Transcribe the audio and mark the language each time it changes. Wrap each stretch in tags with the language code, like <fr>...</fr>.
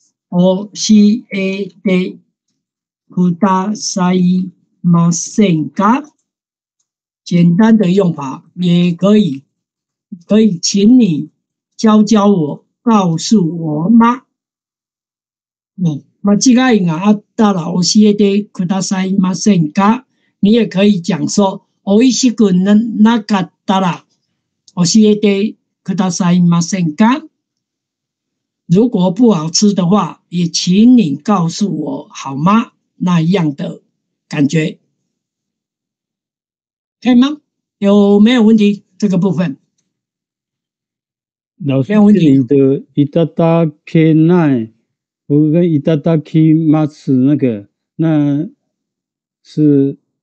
<ja>教えてくださいませんか？</ja> <zh>简单的用法也可以，可以请你教教我，告诉我吗？</zh> <ja>間違いがあったら教えてくださいませんか？</ja> <zh>你也可以讲说，</zh> <ja>おいしくなかったら教えてくださいませんか？</ja> <zh>如果不好吃的话，也请你告诉我好吗？那样的感觉，可以吗？有没有问题？这个部分，老师，没有问题。你的いただけない，我跟いただきます那个，那是</zh>